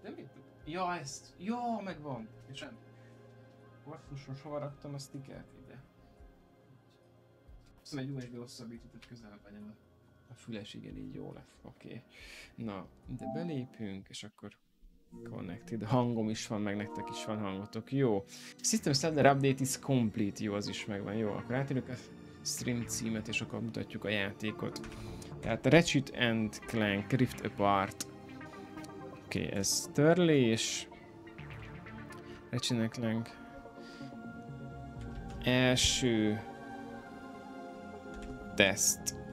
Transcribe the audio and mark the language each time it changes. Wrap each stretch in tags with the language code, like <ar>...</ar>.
<hu>De mit dugtam? Ja, ezt! Ja, megvan! És nem. Orfusos, hova raktam a stickert ide? Szóval egy USB hosszabbított, hogy közel legyen a füles, igen, így jó lesz. Oké. Okay. Na, ide belépünk, és akkor Connected. Hangom is van, meg nektek is van hangotok. Jó.</hu> <en>System Settler Update is complete.</en> <hu>Jó, az is megvan. Jó, akkor átérjük a stream címet, és akkor mutatjuk a játékot. Tehát Ratchet and Clank Rift Apart. Oké, ez törlés. Ratchet and Clank. Első teszt.</hu>